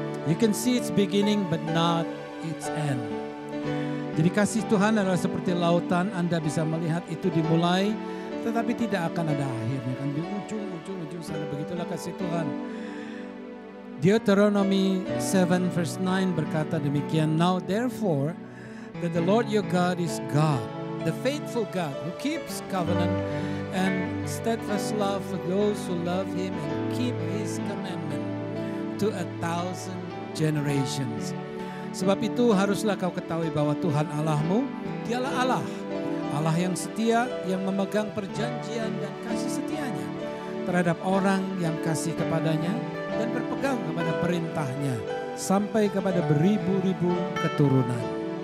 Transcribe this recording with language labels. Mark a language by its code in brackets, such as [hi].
[en] You can see its beginning but not its end. [id] Jadi kasih Tuhan adalah seperti lautan, Anda bisa melihat itu dimulai, tetapi tidak akan ada akhirnya, kan di ujung-ujung sana, begitulah kasih Tuhan. [en] Deuteronomy 7 verse 9 [id] berkata demikian, [en] Now therefore, that the Lord your God is God, the faithful God who keeps covenant and steadfast love for those who love Him and keep His commandment to 1,000 generations. [id] Sebab itu haruslah kau ketahui bahwa Tuhan Allahmu, Dialah Allah, Allah yang setia, yang memegang perjanjian dan kasih setianya terhadap orang yang kasih kepadanya dan berpegang kepada perintahnya sampai kepada beribu-ribu keturunan.